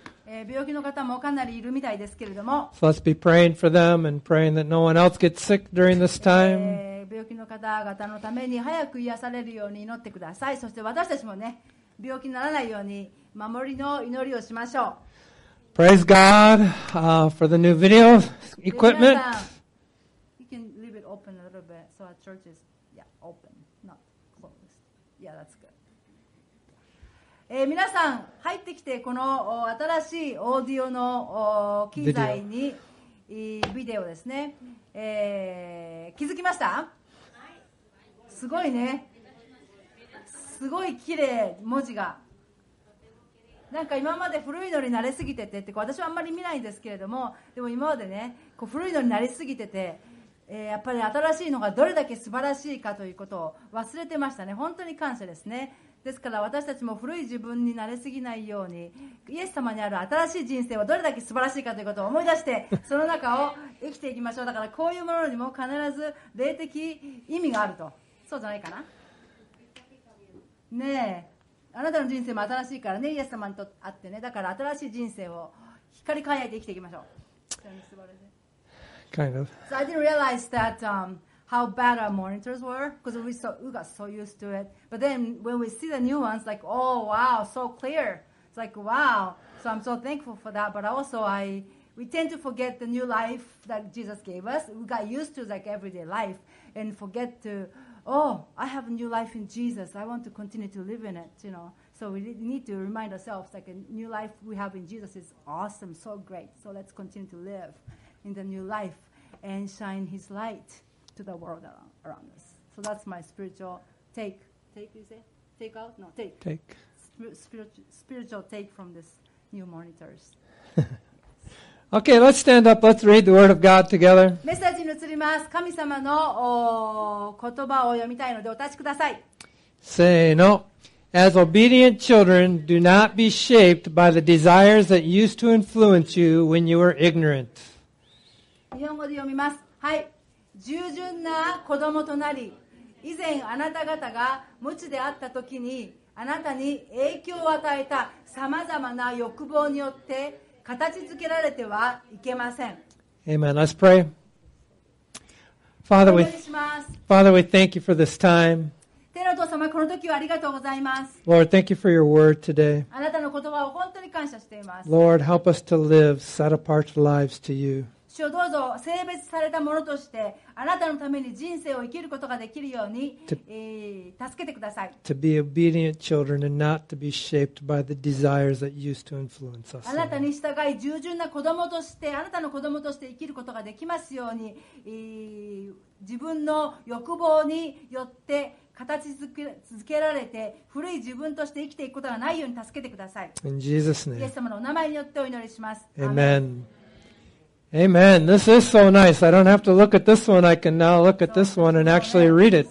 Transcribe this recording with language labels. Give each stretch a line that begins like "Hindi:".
English: So let's be praying for them and praying that no one else gets sick during this time. Praise God for the new video equipment. You can leave it open a little bit so our church is open, not closed. Yeah, that's good.
Japanese: 皆さん入ってきてこの新しいオーディオの機材にビデオですね。気づきました？すごいね。すごい綺麗文字が。なんか今まで古いのに慣れすぎてて私はあんまり見ないんですけれども、でも今までね、こう古いのに慣れすぎてて、やっぱり新しいのがどれだけ素晴らしいかということを忘れてましたね。本当に感謝ですね。ですから私たちも古い自分に慣れすぎないように、イエス様にある新しい人生はどれだけ素晴らしいかということを思い出して、その中を生きていきましょう。だからこういうものにも必ず霊的意味があると。そうじゃないかな。ねえ、あなたの人生も新しいからね、イエス様と会ってね。だから新しい人生を光り輝いて生きていきましょう。
English: Kind of. So I didn't realize that how bad our monitors were, because we got so used to it. But then when we see the new ones, like, oh wow, so clear. It's like, wow. So I'm so thankful for that. But also we tend to forget the new life that Jesus gave us. We got used to like everyday life and forget to, oh, I have a new life in Jesus. I want to continue to live in it, you know. So we need to remind ourselves, like, a new life we have in Jesus is awesome, so great. So let's continue to live in the new life and shine His light to the world around us. So that's my spiritual spiritual take from this new monitors. Okay, let's stand up. Let's read the Word of God together.
Japanese: メッセージに移ります。神様の言葉を読みたいのでお立ちください。せーの。
English: As obedient children, do not be shaped by the desires that used to influence you when you were ignorant.
Japanese: 日本語で読みます。はい。従順な子供となり、以前あなた方が無知であったときに、あなたに影響を与えたさまざまな欲望によって、形づけられてはいけません。
English: Amen. Let's pray. Father, we thank you for this time.
Japanese: 天の父様、この時はありがとうございます。
English: Lord, thank you for your word today.
Japanese: あなたの言葉を本当に感謝しています。
English: Lord, help us to live set apart lives to you.
Japanese: 主よ、どうぞ性別されたものとしてあなたのために人生を生きることができるように助けてください。
English: To be obedient children and not to be shaped by the desires that used to influence us.
Japanese: あなたに従い従順な子供として、あなたの子供として生きることができますように、自分の欲望によって形づけられて古い自分として生きていくことがないように助けてください。
English: In Jesus' name.
Japanese: イエス様のお名前によってお祈りします。
English: AmenAmen. This is so nice. I don't have to look at this one. I can now look at this one and actually read it.